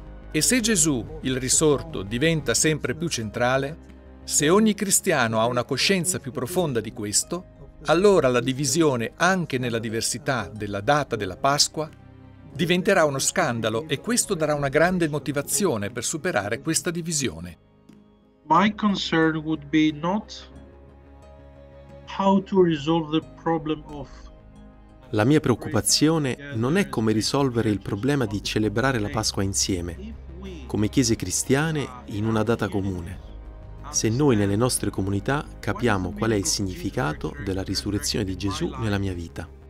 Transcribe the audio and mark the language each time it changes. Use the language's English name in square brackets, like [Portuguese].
[Italian] E se Gesù, il risorto, diventa sempre più centrale, se ogni cristiano ha una coscienza più profonda di questo, allora la divisione anche nella diversità della data della Pasqua diventerà uno scandalo e questo darà una grande motivazione per superare questa divisione. [English] My concern would be not how to resolve the problem of. [Italian] La mia preoccupazione non è come risolvere il problema di celebrare la Pasqua insieme, come chiese cristiane, in una data comune, se noi nelle nostre comunità capiamo qual è il significato della risurrezione di Gesù nella mia vita.